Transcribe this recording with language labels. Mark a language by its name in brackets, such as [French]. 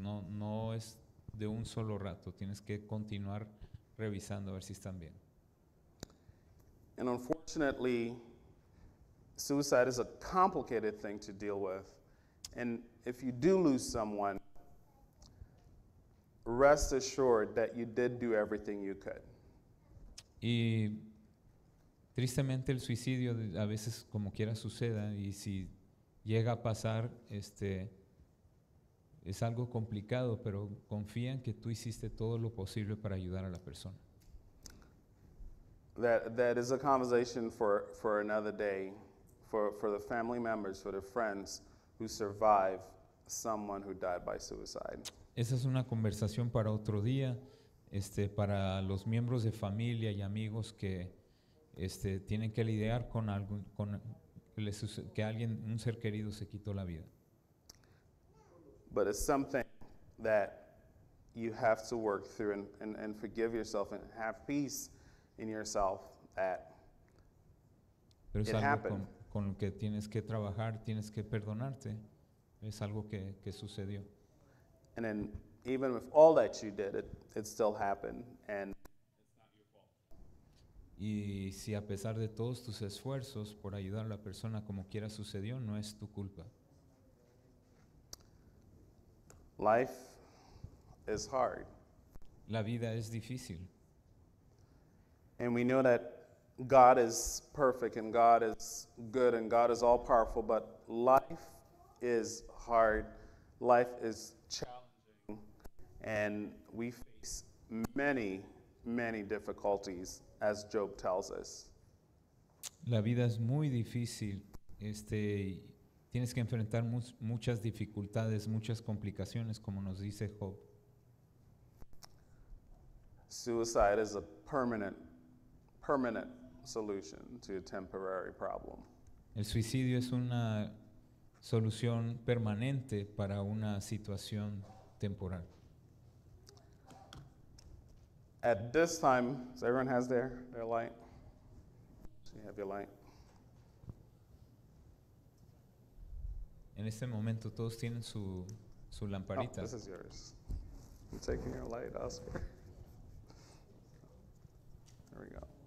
[Spanish] No es de un solo rato. Tienes que continuar revisando a ver si están bien. [English] And unfortunately, suicide is a complicated thing to deal with. And if you do lose someone, rest assured that you did do everything you could. [Spanish] Y tristemente el suicidio a veces como quiera suceda, y si llega a pasar, es algo complicado, pero confía en que tú hiciste todo lo posible para ayudar a la persona. [English] That is a conversation for another day, for the family members, for the friends who survive someone who died by suicide. [Spanish] Esa es una conversación para otro día, para los miembros de familia y amigos que tienen que lidiar con algo, con que alguien, un ser querido, se quitó la vida. [English] But it's something that you have to work through and forgive yourself and have peace in yourself that [Spanish] pero [English] it happened. [Spanish] Con lo que tienes que trabajar, tienes que perdonarte. Es algo que sucedió. [English] And then even with all that you did, it still happened. And it's not your fault. [Spanish] Y si a pesar de todos tus esfuerzos por ayudar a la persona, como quiera sucedió, no es tu culpa. [English] Life is hard. [Spanish] La vida es difícil. [English] And we know that God is perfect and God is good and God is all powerful, but life is hard. Life is challenging. And we face many, many difficulties, as Job tells us. [Spanish] La vida es muy difícil. Tienes que enfrentar muchas dificultades, muchas complicaciones, como nos dice Job. [English] Suicide is a permanent solution to a temporary problem. [Spanish] El suicidio es una solución permanente para una situación temporal. [English] At this time, so everyone has their light. So you have your light. [Spanish] En este momento todos tienen su lamparita. [English] Oh, this is yours. I'm taking your light, Oscar. There we go.